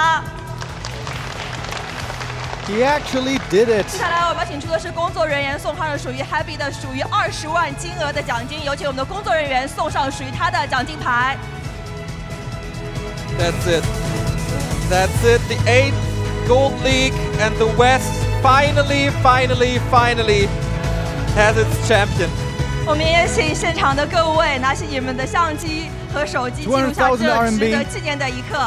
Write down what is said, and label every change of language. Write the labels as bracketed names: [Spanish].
[Chinese] 我前面是跟他说的是让他去告诉暴雪不要再削弱亡灵的，虽然他很强，但是我们还是需要更多的亡灵选手。让我们再次恭喜一下Happy，把掌声送给他。 [English] He actually did it. [Chinese] 接下来我们要请出的是工作人员送上的属于Happy的属于20万金额的奖金，有请我们的工作人员送上属于他的奖金牌。 [English] That's it. That's it. The 8th Gold League and the West finally has its champion. [Chinese] 我们也请现场的各位拿起你们的相机和手机，记录下这值得纪念的一刻。